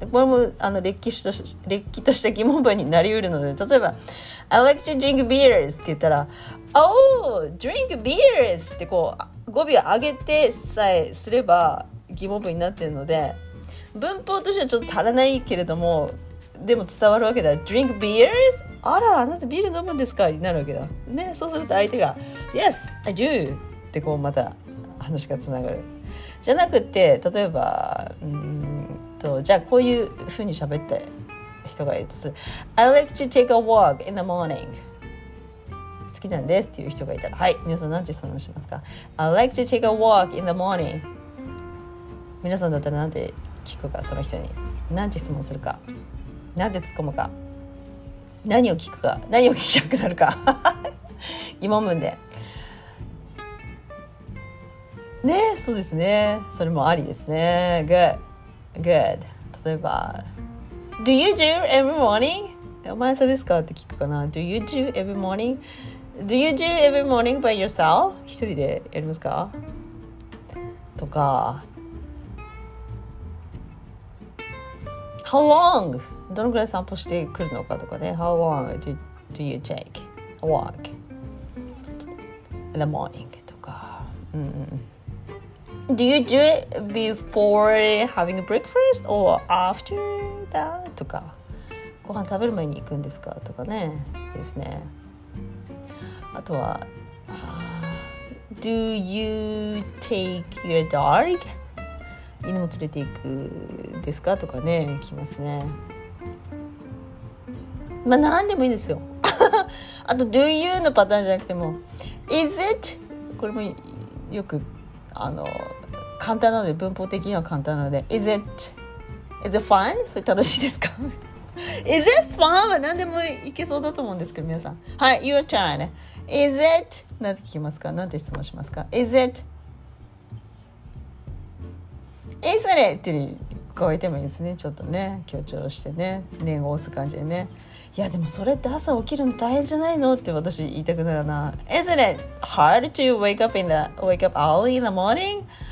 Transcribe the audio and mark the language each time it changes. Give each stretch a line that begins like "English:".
Japanese: これもあの歴史とした疑問文になりうるので、例えば
English: I like to drink beers
Japanese: って言ったら
English: Oh drink beers
Japanese: ってこう語尾を上げてさえすれば疑問文になっているので、文法としてはちょっと足らないけれども、でも伝わるわけだ。
English: Drink beers?
Japanese: あら、あなたビール飲むんですかになるわけだ、ね、そうすると相手が
English: Yes, I do
Japanese: ってこうまた話がつながる。じゃなくて、例えばじゃあこういうふうに喋った人がいるとする。
English: I like to take a walk in the morning.
Japanese: 好きなんですっていう人がいたら、はい、皆さん何て質問しますか。
English: I like to take a walk in the morning.
Japanese: 皆さんだったら何て聞くか、その人に何て質問するか、何て突っ込むか、何を聞くか、何を聞きたくなるか疑問文でね。そうですね、それもありですね。
English: Good
Japanese: 例えば
English: Do you do every morning?
Japanese: お前さですかって聞くかな。
English: Do you do every morning? Do you do every morning by yourself?
Japanese: 一人でやりますかとか、
English: How long?
Japanese: どのくらい散歩してくるのかとかね。
English: How long do you take a walk in the morning?
Japanese: とか、
English: Do you do it before having breakfast or after that?
Japanese: とか、ご飯食べる前に行くんですかとかね。ですね。あとは、
English: Do you take your dog?
Japanese: 犬も連れて行くですかとかね。来ますね。まあ何でもいいですよあと Do you のパターンじゃなくても、
English: Is it、
Japanese: これもよくあの簡単なので、文法的には簡単なので、 Is it、
English: Is it fun、
Japanese: それ楽しいですかIs it fun は何でもいけそうだと思うんですけど、皆さん、はい、
English: Your turn。 Is it、
Japanese: 何て聞きますか、何て質問しますか。Is it、 Is it って言ってもいいですね。ちょっとね強調してね、念を押す感じでね。いやでもそれって朝起きるの大変じゃないのって私言いたくなるな。
English: Isn't it hard to wake up early in the morning?